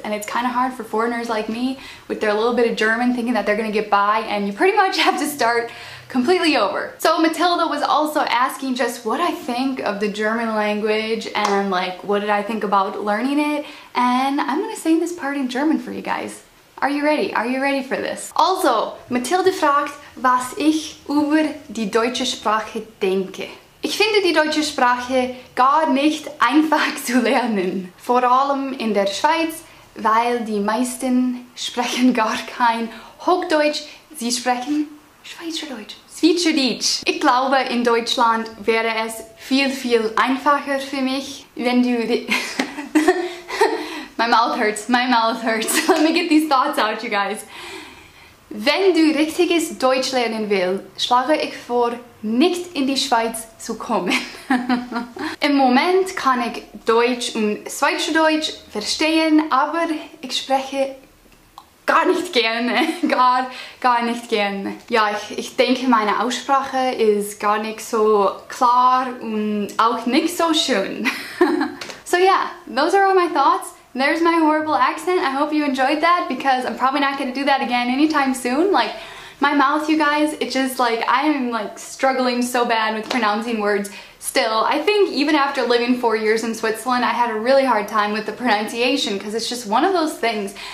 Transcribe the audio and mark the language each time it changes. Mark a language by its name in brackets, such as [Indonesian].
[English] And it's kind of hard for foreigners like me with their little bit of German thinking that they're gonna get by and you pretty much have to start completely over. So Matilda was also asking just what I think of the German language and like what did I think about learning it, and I'm gonna sing this part in German for you guys. Are you ready? Are you ready for this? [German] Also, Matilda fragt, was ich über die deutsche Sprache denke. Ich finde die deutsche Sprache gar nicht einfach zu lernen. Vor allem in der Schweiz, weil die meisten sprechen gar kein Hochdeutsch, sie sprechen Schweizerdeutsch. Schweizerdeutsch. Ich glaube, in Deutschland wäre es viel, viel einfacher für mich, wenn du... [English] My mouth hurts. Let me get these thoughts out, you guys. [German] Wenn du richtiges Deutsch lernen willst, schlage ich vor, nicht in die Schweiz zu kommen. Im Moment kann ich Deutsch und Schweizerdeutsch verstehen, aber ich spreche gar nicht gerne. Gar nicht gerne. Ja, ich denke, meine Aussprache ist gar nicht so klar und auch nicht so schön. [English] So yeah, those are all my thoughts. There's my horrible accent. I hope you enjoyed that because I'm probably not going to do that again anytime soon. Like, my mouth, you guys, it's just like, I'm like struggling so bad with pronouncing words still. I think even after living 4 years in Switzerland, I had a really hard time with the pronunciation because it's just one of those things.